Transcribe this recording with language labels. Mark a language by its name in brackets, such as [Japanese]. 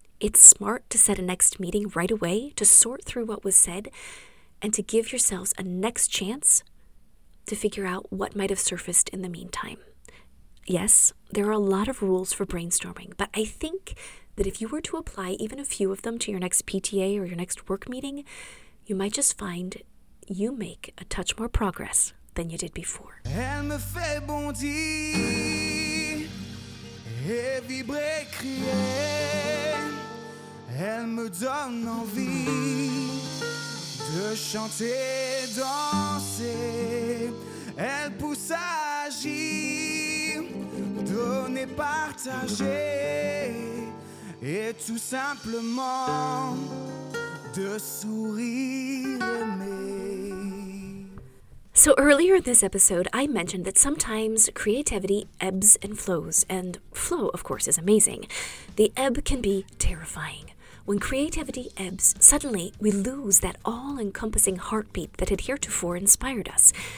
[English] It's smart to set a next meeting right away to sort through what was said and to give yourselves a next chance to figure out what might have surfaced in the meantime. Yes, there are a lot of rules for brainstorming, but I think that if you were to apply even a few of them to your next PTA or your next work meeting, you might just find you make a touch more progress than you did before. [French] Elle me fait bondir et vibrer, crier. Elle me donne envie de chanter, danser. Elle pousse à agir, donner, partager. Et tout simplement de sourire aimé. [English] So earlier in this episode, I mentioned that sometimes creativity ebbs and flows, and flow, of course, is amazing. The ebb can be terrifying. When creativity ebbs, suddenly we lose that all-encompassing heartbeat that had heretofore inspired us.